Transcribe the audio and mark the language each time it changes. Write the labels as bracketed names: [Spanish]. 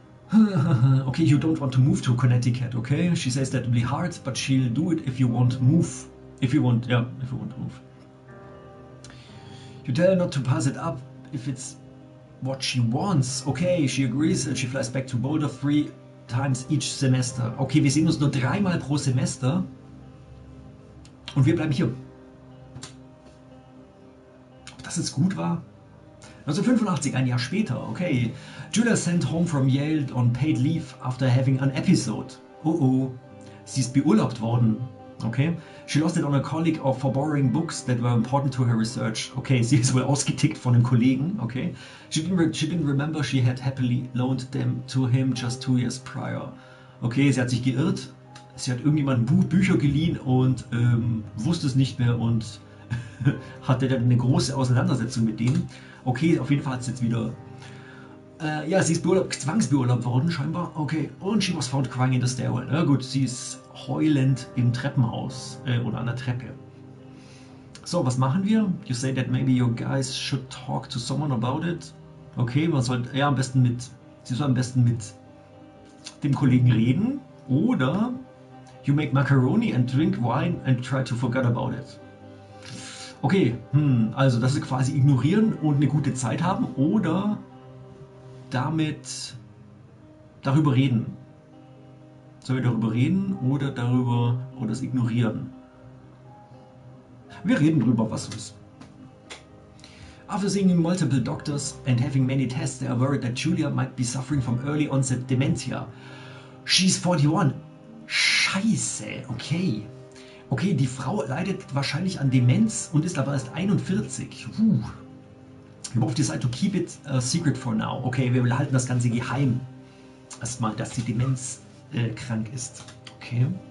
[English] Okay, you don't want to move to Connecticut, okay? She says that will be hard, but she'll do it if you won't move. If you won't move. You tell her not to pass it up if it's what she wants. Okay, she agrees and she flies back to Boulder 3 times each semester. [German] Okay, wir sehen uns nur 3 Mal pro Semester. Und wir bleiben hier. Ob das jetzt gut war? 1985, ein Jahr später. Okay. [English] Julia sent home from Yale on paid leave after having an episode. Oh oh. [German] Sie ist beurlaubt worden. [English] Okay. She lost it on a colleague of for borrowing books that were important to her research. Okay, [German] sie ist wohl ausgetickt von einem Kollegen. [English] Okay. She didn't remember she had happily loaned them to him just 2 years prior. [German] Okay, sie hat sich geirrt. Sie hat irgendjemandem Bücher geliehen und wusste es nicht mehr und hatte dann eine große Auseinandersetzung mit denen. Okay, auf jeden Fall hat sie jetzt wieder... ja, sie ist zwangsbeurlaubt worden scheinbar. [English] Okay, und she was found crying in the stairwell. [German] Na gut, sie ist heulend im Treppenhaus oder an der Treppe. So, was machen wir? [English] You say that maybe you guys should talk to someone about it. [German] Okay, man soll ja am besten mit... Sie soll am besten mit dem Kollegen reden. [English] Oder you make macaroni and drink wine and try to forget about it. [German] Okay, also das ist quasi ignorieren und eine gute Zeit haben oder darüber reden. Sollen wir darüber reden oder darüber oder das ignorieren? Wir reden drüber, was ist. [English] After seeing multiple doctors and having many tests, they are worried that Julia might be suffering from early onset dementia. She's 41. [German] Scheiße, [English] okay. [German] Okay, die Frau leidet wahrscheinlich an Demenz und ist aber erst 41. Ich hoffe, ihr seid [English] to keep it a secret for now. [German] Okay, wir halten das Ganze geheim. Erstmal, dass die Demenz krank ist. Okay.